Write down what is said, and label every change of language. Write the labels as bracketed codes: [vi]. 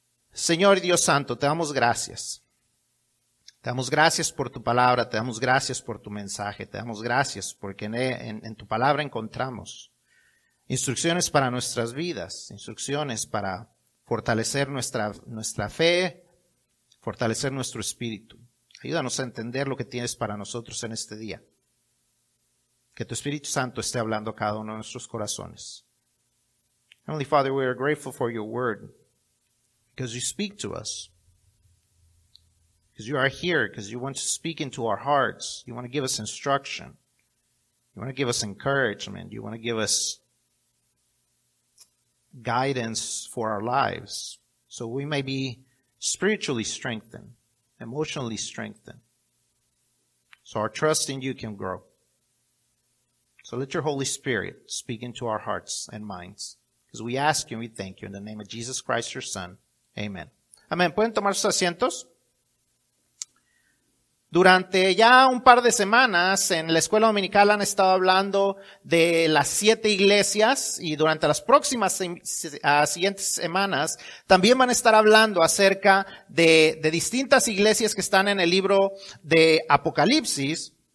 [es] Señor Dios Santo, te damos gracias. Te damos gracias por tu palabra, te damos gracias por tu mensaje, te damos gracias porque en tu palabra encontramos instrucciones para nuestras vidas, instrucciones para fortalecer nuestra fe, fortalecer nuestro espíritu. Ayúdanos a entender lo que tienes para nosotros en este día. Que tu Espíritu Santo esté hablando a cada uno de nuestros corazones. [en] Heavenly Father, we are grateful for your word, because you speak to us. Because you are here, because you want to speak into our hearts. You want to give us instruction. You want to give us encouragement. You want to give us guidance for our lives, so we may be spiritually strengthened, emotionally strengthened, so our trust in you can grow. So let your Holy Spirit speak into our hearts and minds, because we ask you and we thank you in the name of Jesus Christ, your Son. Amen. Amen. [es] ¿Pueden tomar sus asientos? Durante ya un par de semanas en la escuela dominical han estado hablando de las siete iglesias y durante las próximas siguientes semanas también van a estar hablando acerca de distintas iglesias que están en el libro de Apocalipsis.